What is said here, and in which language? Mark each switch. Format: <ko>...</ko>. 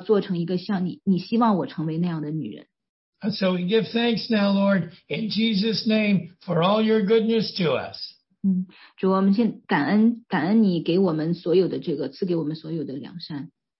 <zh>那也让所有的女人都说，主啊，既然你把我造成女人，你知道你在做什么，你也知道你为什么这样做，那就为了你的荣耀，我要做成一个像你希望我成为那样的女人。</zh> <en>And so we give thanks now, Lord, in Jesus' name for all your goodness to us.</en> <zh>主，我们先感恩你给我们所有的这个，赐给我们所有的良善。</zh>